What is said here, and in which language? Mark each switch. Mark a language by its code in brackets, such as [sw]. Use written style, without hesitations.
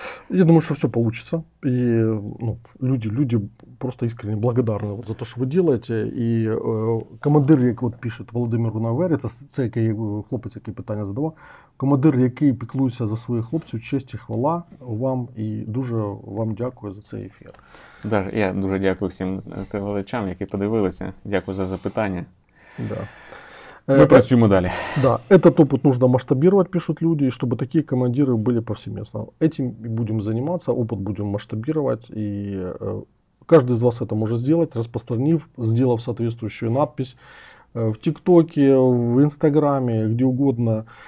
[ru] Я думаю, что все получится. И ну, люди просто искренне благодарны вот за то, что вы делаете. [uk] И командир, як [ru] вот пишет [uk] Володимир Гунавер, це який хлопець, який питання задавав, командир, який піклується за своїх хлопців, честь і хвала вам. І дуже вам дякую за цей ефір. Да, я дуже дякую всім телеглядачам, які подивилися. Дякую за запитання. Да. Мы працюємо далі. [ru] Да, этот опыт нужно масштабировать, пишут люди, чтобы такие командиры были повсеместно. Этим и будем заниматься, опыт будем масштабировать. И каждый из вас это может сделать, распространив, сделав соответствующую надпись в ТикТоке, в Инстаграме, где угодно.